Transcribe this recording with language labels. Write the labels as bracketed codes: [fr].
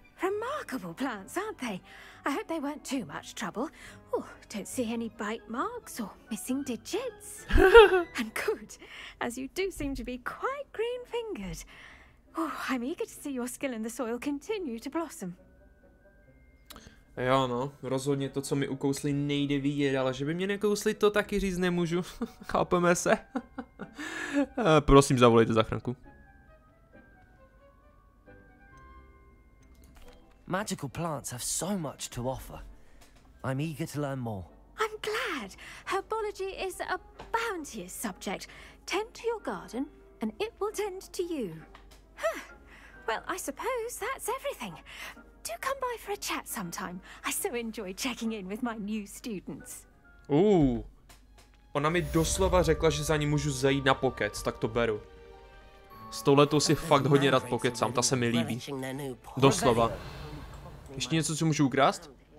[en] Remarkable plants, aren't they? I hope they weren't too much trouble. Oh, don't see any bite marks or missing digits. And good, as you do seem to be quite green-fingered. Oh, I'm eager to see your skill in the soil continue to blossom. [cs] Jo, no, rozhodně to, co mi ukousli, nejde vidět, ale že by mě nekousli, to taky říct nemůžu. Chápeme se. Prosím, zavolejte záchranku. [en] Magical plants have so much to offer. I'm eager to learn more. I'm glad. Herbology is a bounteous subject. Tend to your garden, and it will tend to you. Huh. Well, I suppose that's everything. Do come by for a chat sometime. I so enjoy checking in with my new students. [cs] Ona mi doslova řekla, že za ní můžu zajít na pokec, tak to beru. S touhletou si fakt hodně rád pokecám, ta se mi líbí. Doslova. Ještě něco, co můžu ukrást?